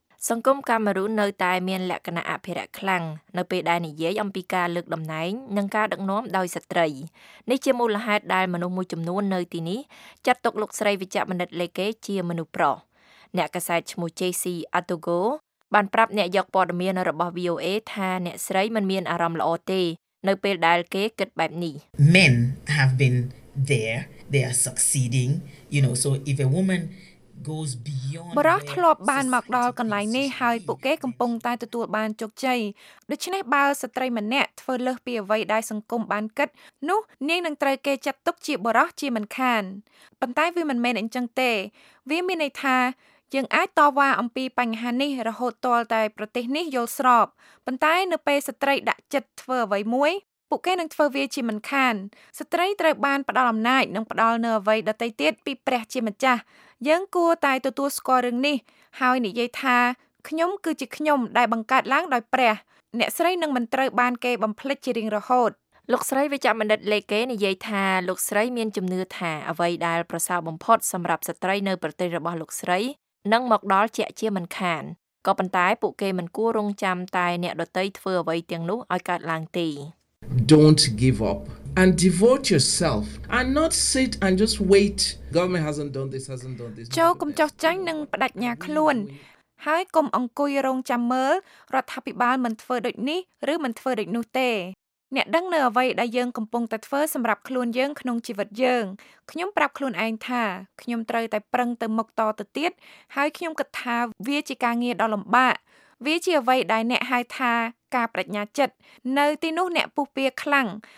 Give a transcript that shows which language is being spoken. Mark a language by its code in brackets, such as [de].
[km] សង្គមកាមេរូននៅតែមានលក្ខណៈអភិរក្សខ្លាំងនៅពេលដែលនិយាយអំពីការលើកតម្ណែងនិងការដឹកនាំដោយស្ត្រីនេះជាមូលហេតុដែលមនុស្សមួយចំនួននៅទីនេះចាត់ទុកលោកស្រីវិជ្ជបណ្ឌិតលេកេជាមនុស្សប្រុសអ្នកកសែតឈ្មោះ JC Atogo បានប្រាប់អ្នកយកព័ត៌មានរបស់ VOA ថាអ្នកស្រីមិនមានអារម្មណ៍ល្អទេនៅពេលដែលគេគិតបែបនេះ [en] Men have been there they are succeeding you know so if a woman [km] បរោះធ្លាប់បានមកដល់កន្លែងនេះហើយពួកគេកំពុងតែទទួលបានជោគជ័យដូច្នេះបើស្ត្រីម្នាក់ធ្វើលើសពីអ្វីដែលសង្គមបានគិតនោះនាងនឹងត្រូវគេចាត់ទុកជាបរោះជាមិនខានប៉ុន្តែវាមិនមែនអញ្ចឹងទេ វាមានន័យថាយើងអាចតវ៉ាអំពីបញ្ហានេះរហូតទាល់តែប្រទេសនេះយល់ស្របប៉ុន្តែនៅពេលស្ត្រីដាក់ចិត្តធ្វើអ្វីមួយពួកគេនឹងធ្វើវាជាមិនខានស្ត្រីត្រូវបានផ្ដល់អំណាចនិងផ្ដល់នូវអ្វីដទៃទៀតពីព្រះជាម្ចាស់យើងគួរតែទទួលស្គាល់រឿងនេះហើយនិយាយថាខ្ញុំគឺជាខ្ញុំដែលបង្កើតឡើងដោយព្រះអ្នកស្រីនឹងមិនត្រូវបានគេបំភ្លេចជារៀងរហូត លោកស្រីវិជ្ជបណ្ឌិតលេកេនិយាយថាលោកស្រីមានជំនឿថាអ្វីដែលប្រសើរបំផុតសម្រាប់ស្ត្រីនៅប្រទេសរបស់លោកស្រីនឹងមកដល់ជាក់ជាមិនខានក៏ប៉ុន្តែពួកគេមិនគួររង់ចាំតែអ្នកដទៃធ្វើអ្វីទាំងនោះឲ្យកើតឡើងទេ [en] Don't give up and devote yourself and not sit and just wait. Government hasn't done this, hasn't done this. [km] ចូលកុំចោះចាញ់និងបដិញ្ញាខ្លួនហើយកុំអង្គុយរងចាំមើលរដ្ឋាភិបាលមិនធ្វើដូចនេះឬមិនធ្វើដូចនោះទេ។អ្នកដឹងនៅអ្វីដែលយើងកំពុងតែធ្វើសម្រាប់ខ្លួនយើងក្នុងជីវិតយើង។ខ្ញុំប្រាប់ខ្លួនឯងថាខ្ញុំត្រូវតែប្រឹងទៅមុខតទៅទៀតហើយខ្ញុំគិតថាវាជាការងារដ៏លំបាក។វាជាអ្វីដែលអ្នកហៅថាការប្រាជ្ញាចិត្ត។នៅទីនោះអ្នកពុះពារខ្លាំង